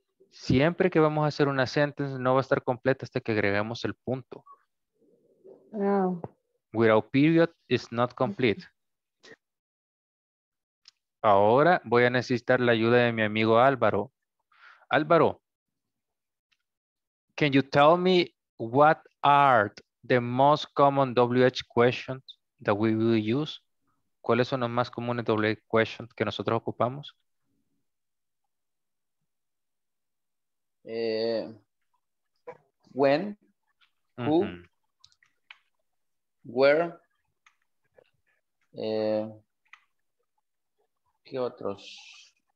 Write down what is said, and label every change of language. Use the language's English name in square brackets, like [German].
[Spanish] Siempre que vamos a hacer una sentence, no va a estar completa hasta que agreguemos el punto. No. [English] Without period, it's not complete. [Spanish] Ahora voy a necesitar la ayuda de mi amigo Álvaro. [English] Álvaro, can you tell me what are the most common WH questions that we will use? [Spanish] ¿Cuáles son los más comunes WH questions que nosotros ocupamos? [English] When, who, mm-hmm. where, [Spanish] ¿qué otros?